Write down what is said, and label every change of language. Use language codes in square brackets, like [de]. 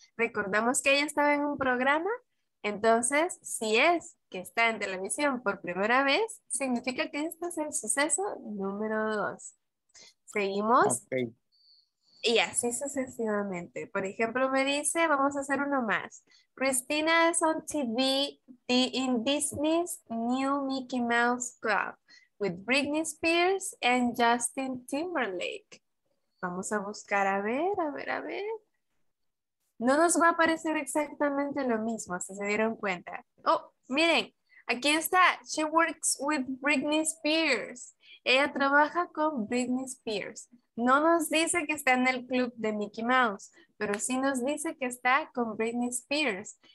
[es] Recordamos que ella estaba en un programa. Entonces, si es que está en televisión por primera vez, significa que este es el suceso número 2. Seguimos. Okay. Y así sucesivamente. Por ejemplo, me dice, vamos a hacer uno más. [en] Christina is on TV in Disney's New Mickey Mouse Club with Britney Spears and Justin Timberlake. [es] Vamos a buscar, a ver. No nos va a aparecer exactamente lo mismo, si se dieron cuenta. [en] Oh, [es] miren, aquí está. [en] She works with Britney Spears. [es] Ella trabaja con Britney Spears. No nos dice que está en el club de Mickey Mouse, pero sí nos dice que está con Britney Spears.